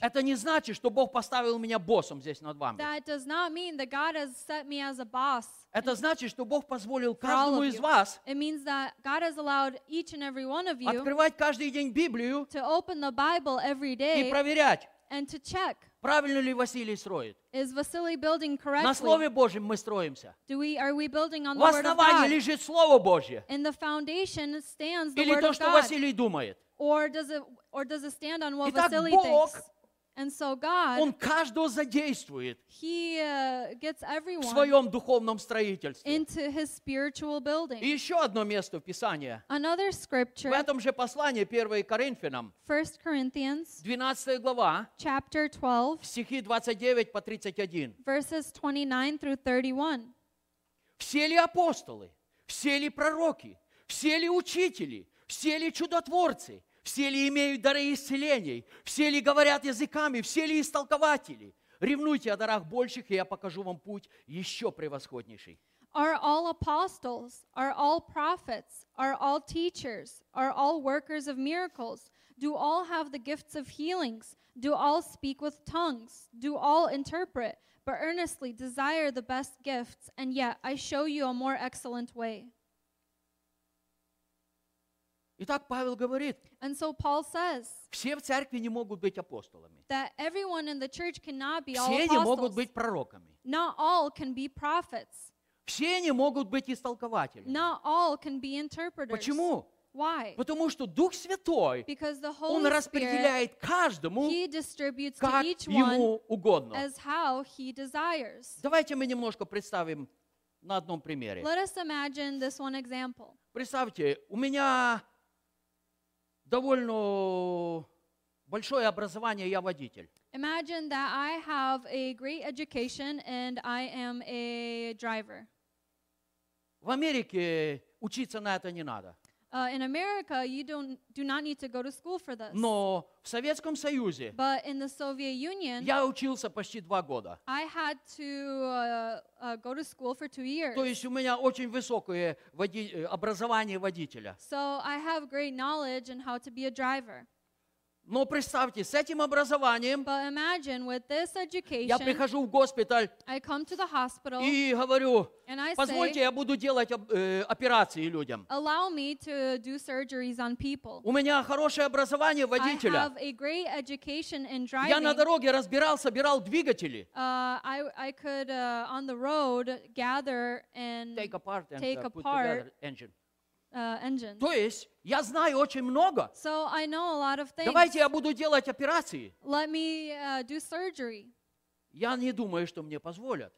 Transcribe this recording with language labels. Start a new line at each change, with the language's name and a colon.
Russian: это не значит, что Бог поставил меня боссом здесь над вами.
English: That does not mean that God has set me as a boss.
Russian: Это значит, что Бог позволил каждому из вас
English: It means that God has allowed each and every one of you
Russian: открывать каждый день Библию
English: to open the Bible every day
Russian: и проверять,
English: and to check.
Russian: Правильно ли Василий строит?
English: Is Vasily building correctly?
Russian: На Слове Божьем мы строимся.
English: Do we, are we building on
Russian: В основании лежит Слово Божье.
English: In the foundation stands the
Russian: Или
English: word
Russian: то,
English: of
Russian: что
English: God.
Russian: Василий думает.
English: Or does it stand on what
Russian: Итак,
English: Vasily
Russian: Бог,
English: thinks? And so God,
Russian: Он каждого задействует
English: he, gets everyone
Russian: в своем духовном строительстве.
English: Into his spiritual building.
Russian: И еще одно место в Писании.
English: Another scripture,
Russian: в этом же послании 1 Коринфянам,
English: 1 Corinthians,
Russian: 12 глава,
English: chapter 12,
Russian: стихи 29 по 31.
English: Verses 29 through 31.
Russian: Все ли апостолы? Все ли пророки? Все ли учители? Все ли чудотворцы? Все ли имеют дары исцелений? Все ли говорят языками? Все ли истолкователи? Ревнуйте о дарах больших, и я покажу вам путь еще превосходнейший.
English: Are all apostles? Are all prophets? Are all teachers? Are all workers of miracles? Do all have the gifts of healings? Do all speak with tongues? Do all interpret? But earnestly desire the best gifts, and yet I show you a more excellent way.
Russian: Итак, Павел говорит,
English: and so Paul says,
Russian: все в церкви не могут быть апостолами.
English: That everyone in the church cannot be all apostles.
Russian: Все не могут быть пророками.
English: Not all can be prophets.
Russian: Все не могут быть истолкователями.
English: Not all can be interpreters.
Russian: Почему?
English: Why?
Russian: Потому что Дух Святой,
English: because the Holy
Russian: Он распределяет каждому,
English: he distributes
Russian: как
English: to each
Russian: ему угодно.
English: As how he desires.
Russian: Давайте мы немножко представим на одном примере.
English: Let us imagine this one example.
Russian: Представьте, у меня довольно большое образование, я водитель.
English: Imagine that I have a great education and I am a driver.
Russian: В Америке учиться на это не надо.
English: In America, you do not need to go to school for this.
Russian: Но в Советском Союзе,
English: but in the Soviet Union,
Russian: я учился почти два года.
English: I had to go to school for 2 years.
Russian: То есть у меня очень высокое образование водителя.
English: So I have great knowledge in how to be a driver.
Russian: Но представьте, с этим образованием
English: but imagine, with this education,
Russian: я прихожу в госпиталь
English: I come to the hospital,
Russian: и говорю,
English: and I
Russian: позвольте,
English: say,
Russian: я буду делать операции людям.
English: Allow me to do surgeries on people.
Russian: У меня хорошее образование водителя.
English: I have a great education in driving.
Russian: Я на дороге разбирал, собирал двигатели.
English: I could, on the road, gather and take apart, put together engine. Engine.
Russian: То есть, я знаю очень много.
English: So I know a lot of things.
Russian: Давайте я буду делать операции.
English: Let me do surgery.
Russian: Я не думаю, что мне позволят.